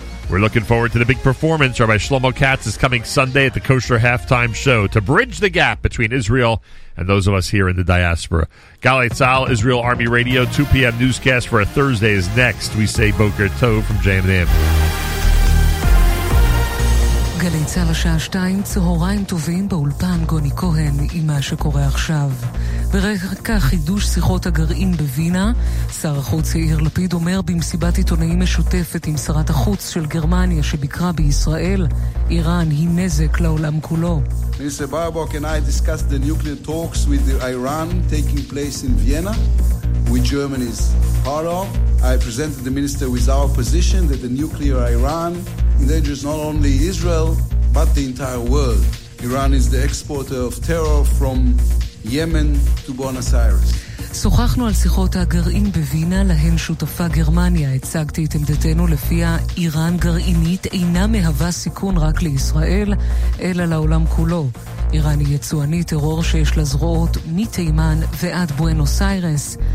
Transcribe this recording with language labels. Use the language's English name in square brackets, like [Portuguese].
[English] We're looking forward to the big performance. Rabbi Shlomo Katz is coming Sunday at the Kosher Halftime Show to bridge the gap between Israel and those of us here in the diaspora. Galay Tzal, Israel Army Radio, 2 p.m. newscast for a Thursday is next. We say Boker Tov from JM and AM. [Hebrew] גלי צהל השעה 2, צהריים טובים באולפן גוני כהן עם מה שקורה עכשיו. ברקע חידוש שיחות הגרעין בווינה, שר החוץ יאיר לפיד אומר במסיבת עיתונאים משותפת עם שרת החוץ של גרמניה שביקרה בישראל, איראן היא נזק לעולם כולו. [English] Mr. Baerbock and I discussed the nuclear talks with the Iran taking place in Vienna, which Germany is part of. I presented the minister with our position that the nuclear Iran endangers not only Israel, but the entire world. Iran is the exporter of terror from Yemen to Buenos Aires. [Hebrew] שוחחנו על שיחות הגרעין בווינה, להן שותפה גרמניה. הצגתי את עמדתנו לפיה איראן גרעינית אינה מהווה סיכון רק לישראל, אלא לעולם כולו. איראן היא יצואנית טרור שיש לה זרועות מתימן ועד בואנוס איירס.